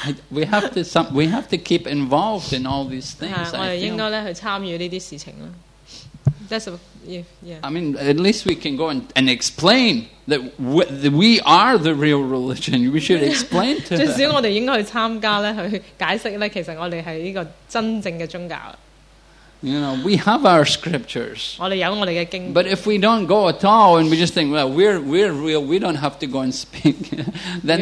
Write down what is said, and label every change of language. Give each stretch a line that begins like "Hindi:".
English: we have to keep involved in all these things. I mean, at least we can go and explain that we are the real religion. We should explain to them.
Chinese: 最少我們應該去參加去解釋其實我們是這個真正的宗教。
English: You know, we have our scriptures.
Chinese: 我們有我們的經,
English: but if we don't go at all and we just think, well, we're real, we don't have to go and speak, then